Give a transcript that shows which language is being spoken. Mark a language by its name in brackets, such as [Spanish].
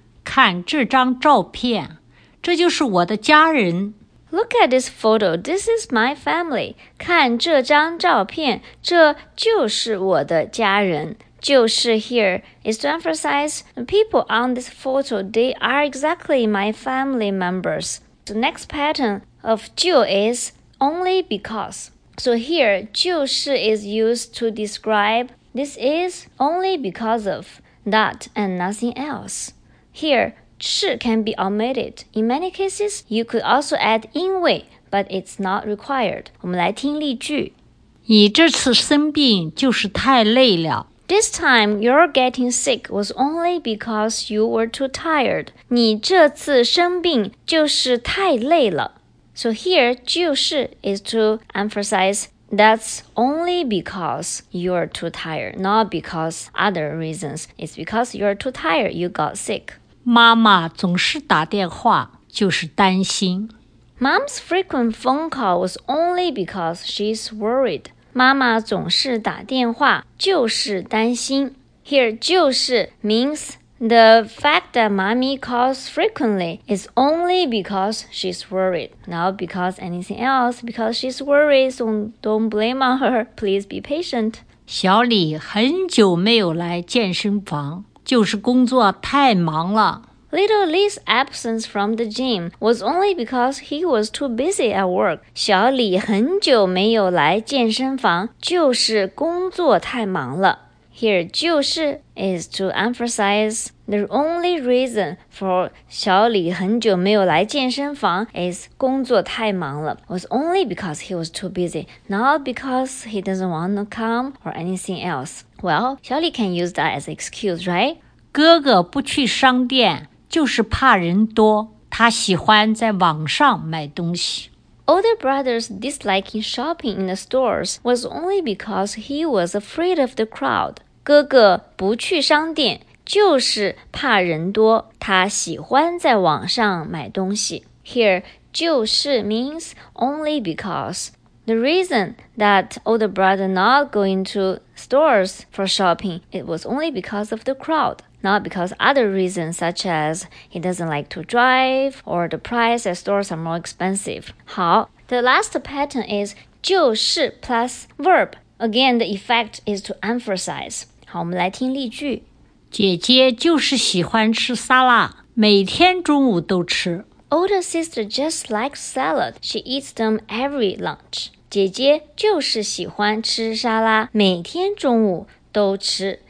[Chinese] 看这张照片，这就是我的家人。 [English] Look at this photo. This is my family. [Chinese] 看这张照片，这就是我的家人。 [English] 就是 here is to emphasize the people on this photo. They are exactly my family members. The next pattern of 就 is only because. So here, 就是 is used to describe this is only because of that and nothing else. Here. 是 can be omitted. In many cases, you could also add 因为 but it's not required. [Chinese] 我们来听例句。你这次生病就是太累了。 [English] This time, you're getting sick was only because you were too tired. [Chinese] 你这次生病就是太累了。 [English] So here, 就是 is to emphasize that's only because you're too tired, not because other reasons. It's because you're too tired, you got sick. [Chinese] 妈妈总是打电话，就是担心。 [English] Mom's frequent phone call was only because she's worried. [Chinese] 妈妈总是打电话，就是担心。 [English] Here, 就是 means the fact that mommy calls frequently is only because she's worried. Not because anything else, because she's worried, so don't blame on her. Please be patient. [Chinese] 小李很久没有来健身房。就是工作太忙了。 [English] Little Lee's absence from the gym was only because he was too busy at work. [Chinese] 小李很久没有来健身房，就是工作太忙了。 [English] Here, 就是 is to emphasize the only reason for [Chinese] 小李很久没有来健身房 [English] is [Chinese] 工作太忙了。 [English] Was only because he was too busy, not because he doesn't want to come or anything else. Well, 小李 can use that as an excuse, right? [Chinese] 哥哥不去商店就是怕人多，他喜欢在网上买东西。 [English] Older brother's disliking shopping in the stores was only because he was afraid of the crowd. [Chinese] 哥哥不去商店就是怕人多，他喜欢在网上买东西。 [English] Here, 就是 means only because. The reason that older brother not going to stores for shopping, it was only because of the crowd, not because other reasons such as he doesn't like to drive or the price at stores are more expensive. 好, the last pattern is 就是 plus verb. Again, the effect is to emphasize. [Chinese] 好，我们来听例句。姐姐就是喜欢吃沙拉，每天中午都吃。 [English] Older sister just likes salad. She eats them every lunch. [Chinese] 姐姐就是喜欢吃沙拉，每天中午都吃。